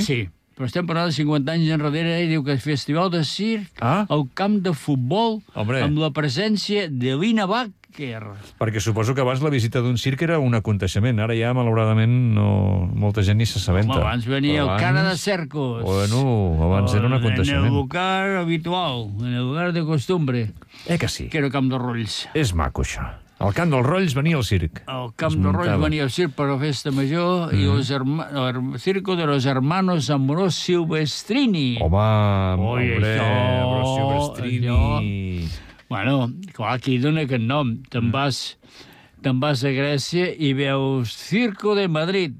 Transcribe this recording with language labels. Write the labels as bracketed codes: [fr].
[ca] Sí, però estem parlant de 50 anys enrere i diu que és festival de circ al camp de futbol amb la presència de Lina Baker. Perquè suposo que abans la visita d'un circ era un aconteixement. Ara ja, malauradament, no... molta gent ni s'assabenta. Home, abans venia el cara de circos. Bueno, abans era un aconteixement. [es] En el lugar habitual, en el lugar de costumbre. [ca] Eh que sí. Que era el camp de Rolls. És maco, això. Al camp dels Rolls venia el circ. Al camp dels Rolls venia el circ per la festa major i el circo de los hermanos Amorós Silvestrini. Home, Amorós Silvestrini. Bueno, clar, aquí dona aquest nom. Te'n vas a Grècia i veus Circo de Madrid.